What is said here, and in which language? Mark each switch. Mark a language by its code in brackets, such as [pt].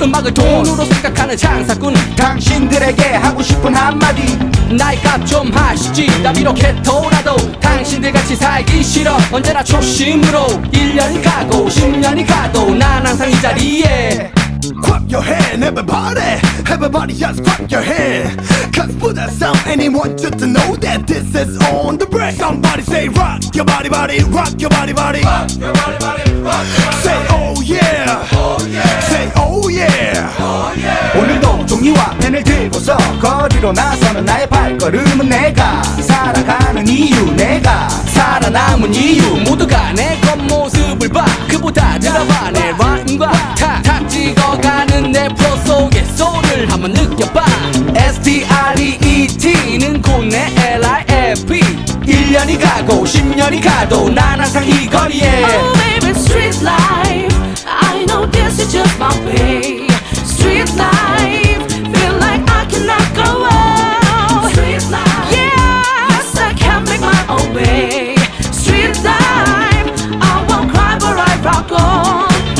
[ko] 음악을 돈으로 생각하는 장사꾼 당신들에게 하고 싶은 한마디 나의 값 좀 하시지. 나 이렇게 돌아도 당신들 같이 살기 싫어. 언제나 초심으로 1년이 가고 10년이 가도 난 항상 이 자리에. [en] Clap your hand, everybody. Everybody just clap your hand. Cause for that sound, anyone just to know that this is on the break. Somebody say rock your body, body, rock your body, body. Rock your body, body, rock your body. Say oh yeah, oh yeah. Say oh yeah, oh yeah. [ko] 오늘도 종이와 펜을 들고서 거리로 나서는 나의 발걸음은 내가 살아가는 이유, 내가 살아남은 이유. 모두가 내 겉모습을 봐. 그보다 들어봐 내 rhyme과 탁탁 찍어 가는 내 프로 속의 소울을 한번 느껴봐. S.T.R.E.E.T는 곧 내 L.I.F.E. 1년이 가고 10년이 가도 난 항상 이 거리에. [en] Oh baby, street life, I know this is just my way. Street life, feel like I cannot go out. Street life, yes, I can make my own way. Street life, I won't cry but I rock on.